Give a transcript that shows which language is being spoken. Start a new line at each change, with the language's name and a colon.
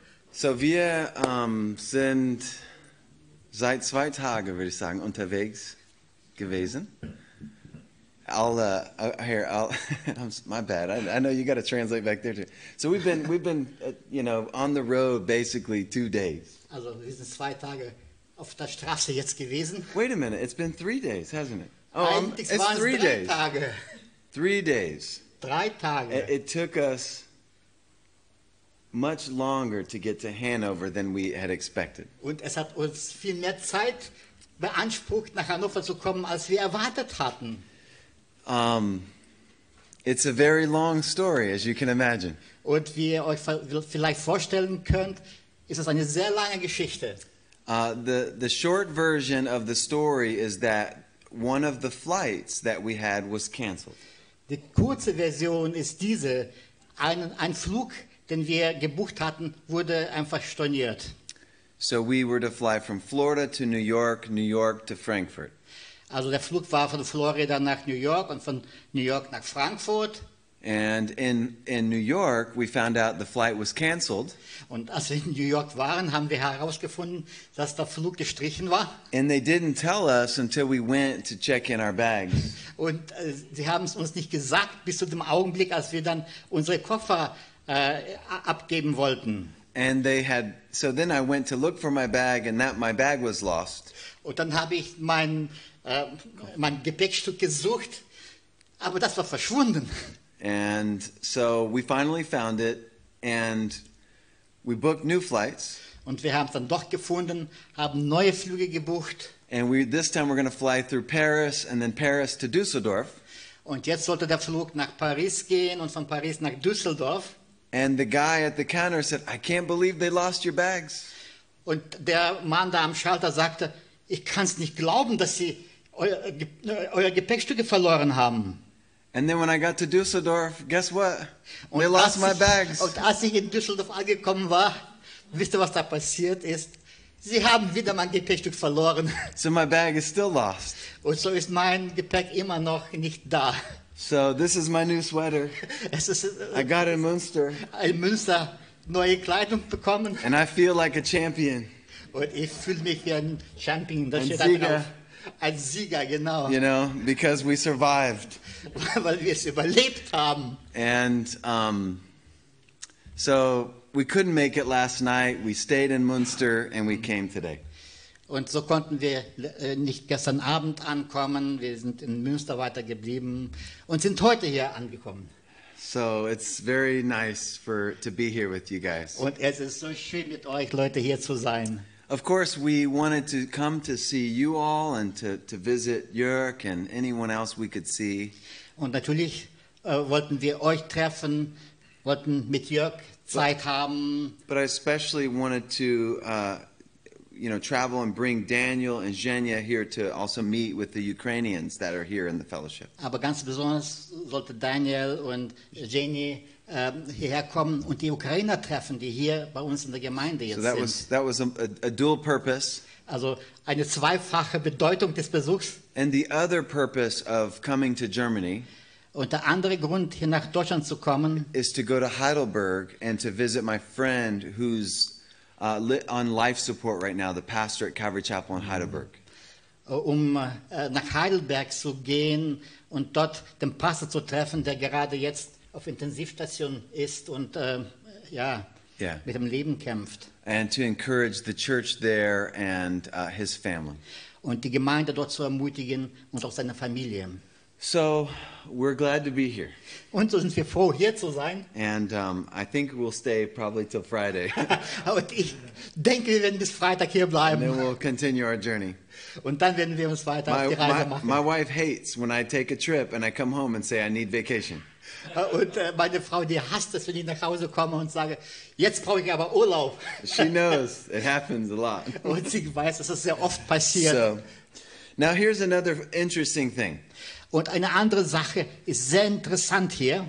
German: So wir sind seit 2 Tagen, würde ich sagen, unterwegs gewesen.
English: I know you got to translate back there too. So we've been on the road basically 2 days.
German: Also wir sind 2 Tage auf der Straße jetzt gewesen.
English: Wait a minute, it's been 3 days, hasn't it? Oh, it's 3 days. Tage. 3 days.
German: 3 Tage.
English: It took us much longer to get to Hanover than we had expected.
German: Und es hat uns viel mehr Zeit beansprucht, nach Hannover zu kommen, als wir erwartet hatten.
English: It's a very long story, as you can imagine.
German: Und wie ihr euch vielleicht vorstellen könnt, ist es eine sehr lange Geschichte.
English: The short version of the story is that one of the flights that we had was canceled.
German: Die kurze Version ist diese: ein Flug, den wir gebucht hatten, wurde einfach storniert.
English: So we were to fly from Florida to New York, New York to Frankfurt.
German: Also der Flug war von Florida nach New York und von New York nach Frankfurt.
English: And in New York we found out the flight was canceled.
German: Und als wir in New York waren, haben wir herausgefunden, dass der Flug gestrichen war.
English: And they didn't tell us until we went to check in our bags.
German: Und sie haben es uns nicht gesagt bis zu dem Augenblick, als wir dann unsere Koffer abgeben wollten.
English: And they had, so then I went to look for my bag and that my bag was lost.
German: Und dann habe ich mein Gepäckstück gesucht, aber das war verschwunden.
English: And so we finally found it and we booked new flights.
German: Und wir haben es dann doch gefunden, haben neue Flüge gebucht.
English: And this time we're going to fly through Paris and then Paris to Düsseldorf.
German: Und jetzt sollte der Flug nach Paris gehen und von Paris nach Düsseldorf.
English: And the guy at the counter said, "I can't believe they lost your bags."
German: Und der Mann da am Schalter sagte, ich kann es nicht glauben, dass sie euer Gepäckstücke verloren haben.
English: And then when I got to Düsseldorf, guess what? They lost my bags.
German: Und als ich in Düsseldorf angekommen war, wisst ihr, was da passiert ist? Sie haben wieder mein Gepäckstück verloren.
English: So my bag is still lost.
German: Und so ist mein Gepäck immer noch nicht da.
English: So this is my new sweater.
German: Es ist,
English: I got in Münster.
German: In Münster neue Kleidung bekommen.
English: And I feel like a champion.
German: Und ich fühle mich wie ein Champion. Das ein steht Sieger. Da drauf. Ein Sieger, genau.
English: You know, because we survived.
German: Weil wir es überlebt haben.
English: And so we couldn't make it last night. We stayed in Münster and we came today.
German: Und so konnten wir nicht gestern Abend ankommen. Wir sind in Münster weitergeblieben und sind heute hier angekommen.
English: So it's very nice to be here with you guys.
German: Und es ist so schön mit euch Leute hier zu sein.
English: Of course, we wanted to come to see you all and to visit Jörg and anyone else we could see.
German: Und natürlich wollten wir euch treffen, wollten mit Jörg Zeit haben.
English: But I especially wanted to travel and bring Daniel and Zhenya here to also meet with the Ukrainians that are here in the fellowship.
German: Aber ganz besonders sollte Daniel und Zhenya hierher kommen und die Ukrainer treffen, die hier bei uns in der Gemeinde jetzt
English: sind. That was a dual purpose.
German: Also eine zweifache Bedeutung des Besuchs.
English: And the other purpose of coming to Germany.
German: Und der andere Grund, hier nach Deutschland zu kommen,
English: is to go to Heidelberg and to visit my friend who's on life support right now, the pastor at Calvary Chapel in Heidelberg.
German: Nach Heidelberg zu gehen und dort den Pastor zu treffen, der gerade jetzt auf Intensivstation ist und mit dem Leben kämpft.
English: And to encourage the church there and his family.
German: Und die Gemeinde dort zu ermutigen und auch seine Familie.
English: So, we're glad to be here.
German: Und so sind wir froh, hier zu sein.
English: And I think we'll stay probably till Friday.
German: Und ich denke, wir werden bis Freitag hier bleiben.
English: And then we'll continue our journey.
German: Und dann werden wir uns weiter auf die Reise machen.
English: My wife hates when I take a trip and I come home and say I need vacation.
German: Und meine Frau, die hasst es, wenn ich nach Hause komme und sage, jetzt brauche ich aber Urlaub.
English: She knows it happens a lot.
German: Und sie weiß, dass das sehr oft passiert.
English: So, now here's another interesting thing.
German: Und eine andere Sache ist sehr interessant hier.